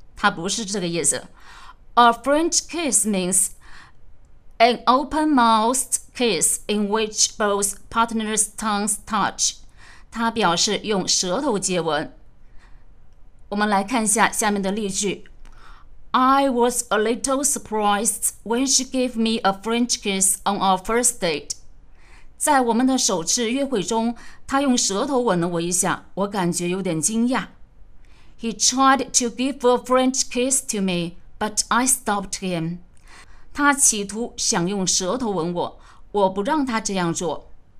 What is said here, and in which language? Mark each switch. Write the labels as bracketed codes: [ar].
[zh] 它不是这个意思。 [en] A French kiss means an open mouth kiss in which both partners' tongues touch， [zh] 它表示用舌头接吻。我们来看一下下面的例句。 [en] I was a little surprised when she gave me a French kiss on our first date. [zh] 在我们的首次约会中，她用舌头吻了我一下，我感觉有点惊讶。 [en] He tried to give a French kiss to me, but I stopped him. [zh] 他企图想用舌头吻我，我不让他这样做。